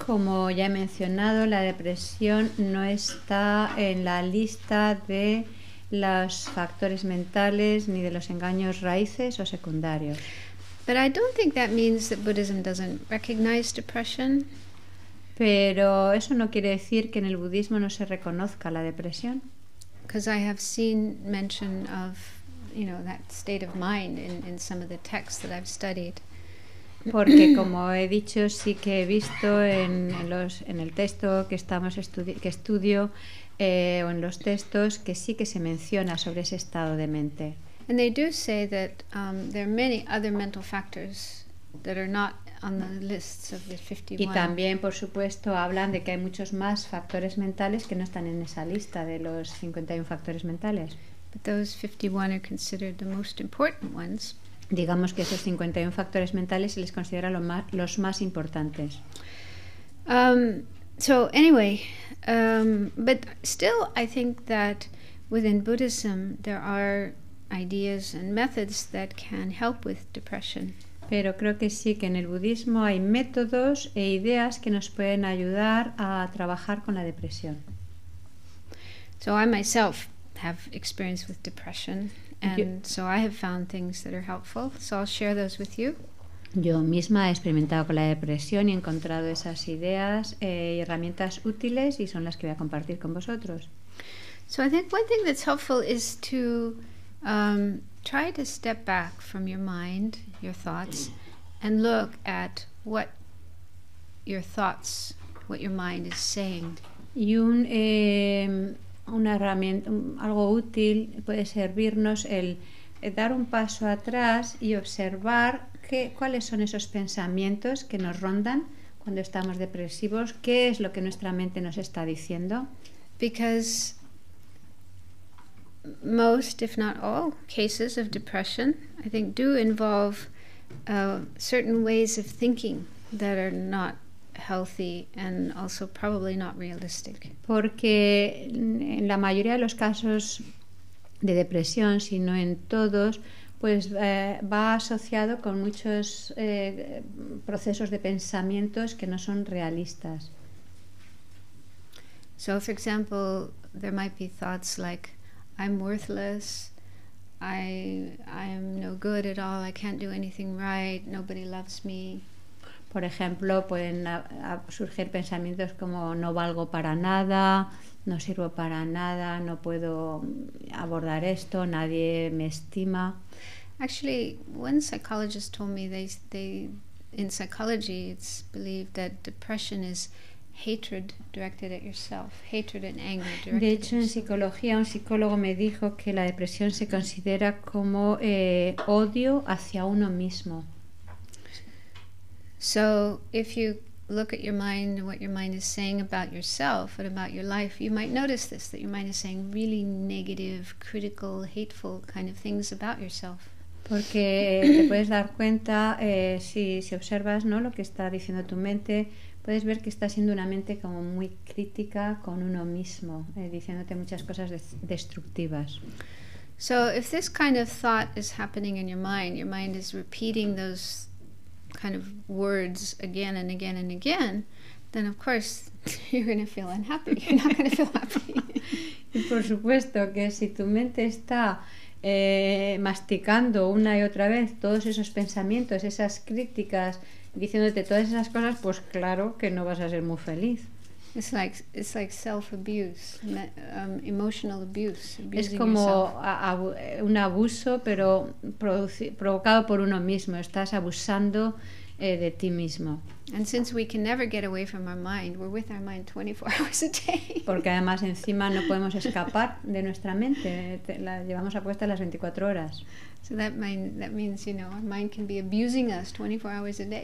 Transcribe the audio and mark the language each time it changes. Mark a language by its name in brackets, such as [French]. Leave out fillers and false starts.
[Spanish] Como ya he mencionado, la depresión no está en la lista de los factores mentales ni de los engaños raíces o secundarios. [English] But I don't think that means that Buddhism doesn't recognize depression. [Spanish] Pero eso no quiere decir que en el budismo no se reconozca la depresión. [English] Because I have seen mention of, you know, that state of mind in some of the texts that I've studied. [Spanish] Porque como he dicho, sí que he visto en el texto que estudio o en los textos que sí que se menciona sobre ese estado de mente. [English] And they do say that there are many other mental factors that are not on the lists of the 51. [Spanish] Y también, por supuesto, hablan de que hay muchos más factores mentales que no están en esa lista de los 51 factores mentales. [English] But those 51 are considered the most important ones. [Spanish] Digamos que esos 51 factores mentales se les considera los más importantes. [English] But still I think that within Buddhism there are ideas and methods that can help with depression. [Spanish] Pero creo que sí que en el budismo hay métodos e ideas que nos pueden ayudar a trabajar con la depresión. [English] So I myself have experience with depression, and so I have found things that are helpful, so I'll share those with you. [Spanish] Yo misma he experimentado con la depresión y he encontrado esas ideas y herramientas útiles, y son las que voy a compartir con vosotros. [English] So I think one thing that's helpful is to try to step back from your mind, your thoughts, and look at what your thoughts, what your mind is saying. [Spanish] Y una herramienta, algo útil puede servirnos el dar un paso atrás y observar cuáles son esos pensamientos que nos rondan cuando estamos depresivos, qué es lo que nuestra mente nos está diciendo. [English] Because most, if not all, cases of depression, I think, do involve certain ways of thinking that are not healthy and also probably not realistic. [Spanish] Porque en la mayoría de los casos de depresión, si no en todos, pues va asociado con muchos procesos de pensamientos que no son realistas. [English] So, for example, there might be thoughts like, I'm worthless, I am no good at all, I can't do anything right, nobody loves me. [Spanish] Por ejemplo, pueden surgir pensamientos como, no valgo para nada, no sirvo para nada, no puedo abordar esto, nadie me estima. [English] Actually, one psychologist told me they in psychology it's believed that depression is hatred directed at yourself, hatred and anger directed at yourself. [Spanish] De hecho, en psicología, un psicólogo me dijo que la depresión se considera como odio hacia uno mismo. [English] So if you look at your mind and what your mind is saying about yourself and about your life, you might notice this, that your mind is saying really negative, critical, hateful kind of things about yourself. [Spanish] Porque te puedes dar cuenta, si observas, ¿no?, lo que está diciendo tu mente, puedes ver que está siendo una mente como muy crítica con uno mismo, diciéndote muchas cosas destructivas. [English] So if this kind of thought is happening in your mind is repeating those kind of words again and again and again, then of course you're going to feel unhappy. You're not going to feel happy. [Spanish] Y por supuesto que si tu mente está masticando una y otra vez todos esos pensamientos, esas críticas, diciéndote todas esas cosas, pues claro que no vas a ser muy feliz. [English] It's like self-abuse, emotional abuse. [Spanish] Es como un abuso, pero provocado por uno mismo. Estás abusando de ti mismo. [English] And since we can never get away from our mind, we're with our mind 24 hours a day. [Spanish] Porque además encima no podemos escapar de nuestra mente. La llevamos a puesta las 24 horas. [English] So that means, you know, our mind can be abusing us 24 hours a day.